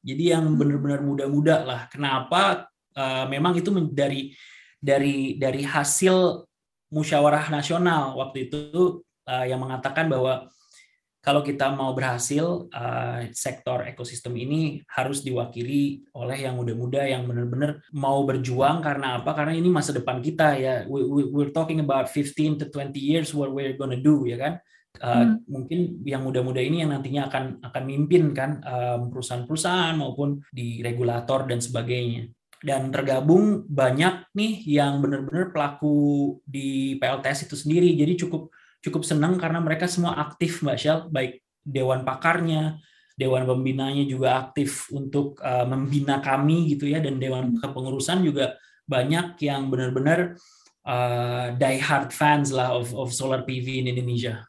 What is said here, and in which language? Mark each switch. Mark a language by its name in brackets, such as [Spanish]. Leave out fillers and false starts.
[Indonesian] Jadi yang benar-benar muda-muda lah. Kenapa? Memang itu dari hasil musyawarah nasional waktu itu yang mengatakan bahwa kalau kita mau berhasil, sektor ekosistem ini harus diwakili oleh yang muda-muda yang benar-benar mau berjuang. Karena apa? Karena ini masa depan kita ya. [English] We're talking about 15 to 20 years what we're gonna do, [Indonesian] ya kan? Mungkin yang muda-muda ini yang nantinya akan mimpin kan perusahaan-perusahaan maupun di regulator dan sebagainya. Dan tergabung banyak nih yang benar-benar pelaku di PLTS itu sendiri. Jadi cukup senang karena mereka semua aktif, Mbak Shell, baik dewan pakarnya, dewan pembinanya juga aktif untuk membina kami gitu ya, dan dewan kepengurusan juga banyak yang benar-benar [English] diehard fans [Indonesian] lah [English] of solar PV in Indonesia.